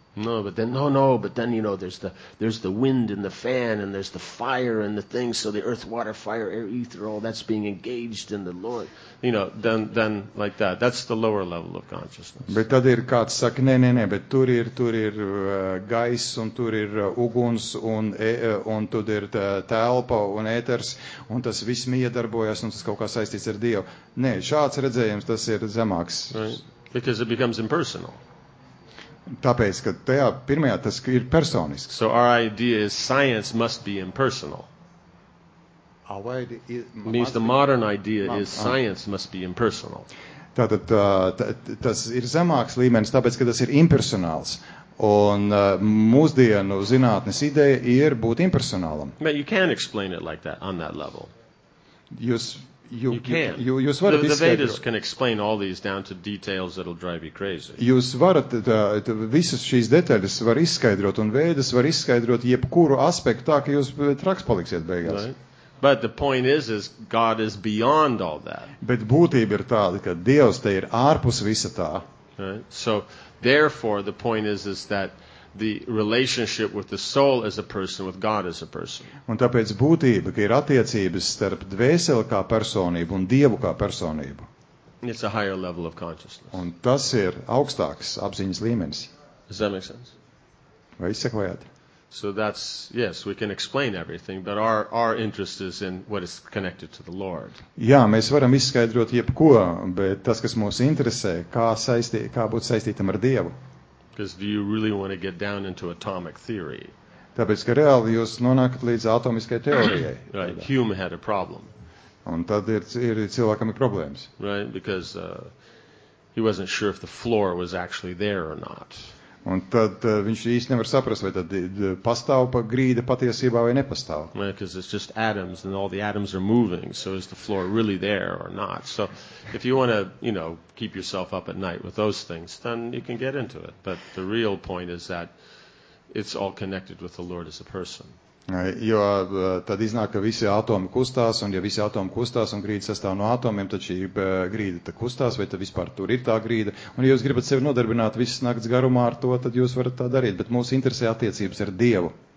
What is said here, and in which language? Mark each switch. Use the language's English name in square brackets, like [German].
[English] No, but then, you know, there's the wind and the fan and there's the fire and the things, so the earth, water, fire, air, ether, all that's being engaged in the Lord. You know, then like that. That's the lower level of consciousness. [Latvian] Bet tad ir kāds saka, nē, bet tur ir gaiss un tur ir uguns un tad ir telpa un ēters un tas viss miedarbojas un tas kaut kā saistīts ar Dievu. Nē, šāds redzējums tas ir zemāks. [English] Right? Because it becomes impersonal. [Latvian] Tāpēc, ka tajā pirmajā tas ir personisks. [English] So our idea is science must be impersonal. Means the modern idea is science must be impersonal. [Latvian] Tātad tas ir zemāks līmenis, tāpēc, ka tas ir impersonāls. Un mūsdienu zinātnes ideja ir būt impersonālam. [English] But you can explain it like that, on that level. [Latvian] Jūs varat [English] the Vedas can explain all these down to details that'll drive you crazy. [Latvian] Jūs varat visas šīs detaļas var izskaidrot un Vedas var izskaidrot jebkuru aspektu tā, ka jūs traks paliksiet beigās. [English] Right. But the point is God is beyond all that. [Latvian] Bet būtība ir tāda, ka Dievs te ir ārpus visa tā. [English] Right. So therefore the point is that the relationship with the soul as a person, with God as a person. [Latvian] Un tāpēc būtība, ka ir attiecības starp dvēseli kā personību un Dievu kā personību. [English] It's a higher level of consciousness. [Latvian] Un tas ir augstāks apziņas līmenis. [English] Does that make sense? [Latvian] Vai izsekojāt? [English] So that's, yes, we can explain everything, but our interest is in what is connected to the Lord. [Latvian] Jā, mēs varam izskaidrot jebko, bet tas, kas mūs interesē, kā būt saistītam ar Dievu. [English] Because do you really want to get down into atomic theory? [Latvian] Tāpēc, ka reāli jūs nonākat līdz atomiskai teorijai. [English] Right. Hume had a problem. [Latvian] Un tad ir cilvēkam ir problēmas. [English] Right, because he wasn't sure if the floor was actually there or not. [Latvian] Un tad viņš īsti nevar saprast, vai tad pastāv pa grīda patiesībā vai nepastāv. [English] Right, because it's just atoms and all the atoms are moving, so is the floor really there or not? So if you want to, you know, keep yourself up at night with those things, then you can get into it. But the real point is that it's all connected with the Lord as a person. [Latvian] Jo tad iznāk, ka visi atomi kustās, un ja visi atomi kustās, un grīda sastāv no atomiem, tad šī grīda tad kustās, vai tad vispār tur ir tā grīda. Un ja jūs gribat sevi nodarbināt visas nakts garumā ar to, tad jūs varat tā darīt, bet mūs interesē attiecības ar Dievu.